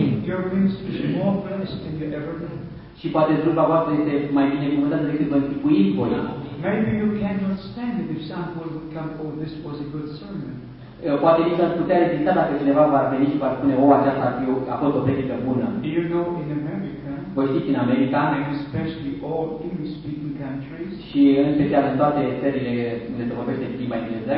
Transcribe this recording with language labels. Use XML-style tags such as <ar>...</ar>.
<en>Your ministry is more blessed than you ever know.</en> <ro>Și poate slujba voastră este mai binecuvântată decât vă închipuiți voi.</ro> <en>Maybe you cannot stand it if someone would come for this was a good sermon.</en> <ro>Poate nici ați putea rezista dacă cineva va veni și va spune, o, aceasta a fost o predică bună.</ro> <en>You know, in America,</en> <ro>voi știți, în America,</ro> <en>and especially all English-speaking countries,</en> <ro>și în special în toate țările unde se vorbește limba engleză,</ro>